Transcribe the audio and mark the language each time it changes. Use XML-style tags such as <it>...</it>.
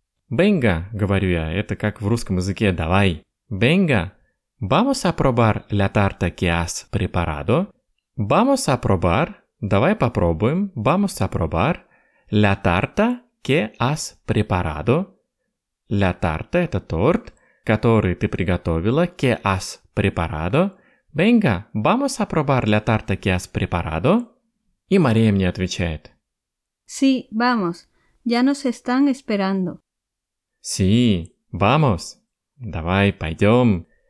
<ru>Venga, говорю я, это как в русском языке «давай».</ru> <es>Venga, vamos a probar la tarta que has preparado. Vamos a probar,</es> <ru>давай попробуем,</ru> <es>vamos a probar la tarta que has preparado. La tarta</es> <ru>– это торт, который ты приготовила,</ru> <es>que has preparado. Venga, vamos a probar la tarta que has preparado.</es> <ru>И Мария мне отвечает.</ru> <es>Sí, vamos. Ya nos están esperando. Sí, vamos.</es> <ru>Давай, пойдем.</ru>